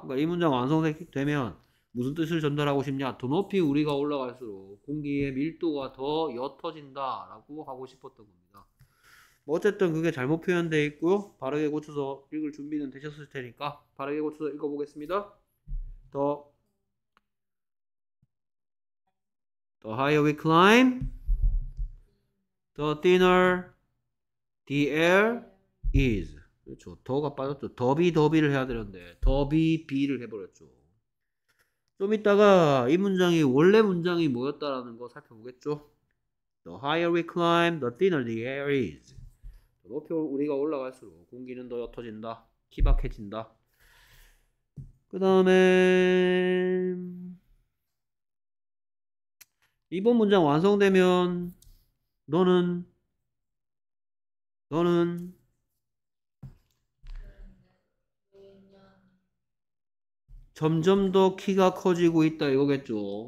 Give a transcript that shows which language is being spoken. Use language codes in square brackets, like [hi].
[ko] 그러니까 이 문장 완성되면 무슨 뜻을 전달하고 싶냐. 더 높이 우리가 올라갈수록 공기의 밀도가 더 옅어진다라고 하고 싶었던 겁니다. 어쨌든 그게 잘못 표현되어 있고요. 바르게 고쳐서 읽을 준비는 되셨을 테니까 바르게 고쳐서 읽어보겠습니다. [en] The higher we climb, the thinner the air is. [ko] 그렇죠. 더가 빠졌죠. 더비 더비를 해야 되는데 더비 비를 해버렸죠. 좀 이따가 이 문장이 원래 문장이 뭐였다라는 거 살펴보겠죠. [en] The higher we climb, the thinner the air is. [ko] 높이 우리가 올라갈수록 공기는 더 옅어진다. 희박해진다. 그 다음에 이번 문장 완성되면 너는 점점 더 키가 커지고 있다 이거겠죠.